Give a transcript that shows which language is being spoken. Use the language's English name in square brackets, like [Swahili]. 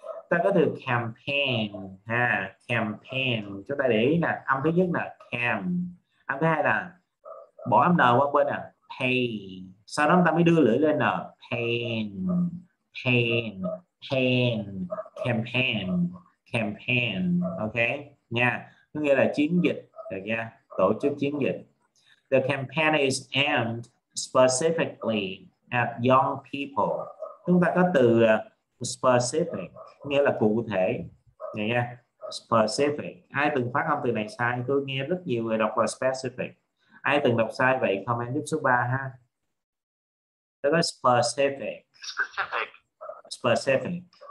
[Vietnamese] Ta có từ campaign ha, campaign chúng ta để ý là âm thứ nhất là cam, âm thứ hai là bỏ âm n qua bên là pay, sau đó ta mới đưa lưỡi lên n, pain pain campaign, campaign, campaign, ok nha. Có nghĩa là chiến dịch, được nha, tổ chức chiến dịch. [English] The campaign is aimed specifically at young people. [Vietnamese] Chúng ta có từ specific, nghĩa là cụ thể, được nha. Specific. Ai từng phát âm từ này sai? Tôi nghe rất nhiều người đọc là specific. Ai từng đọc sai vậy? Comment giúp số 3 ha. Đó là specific. Specific.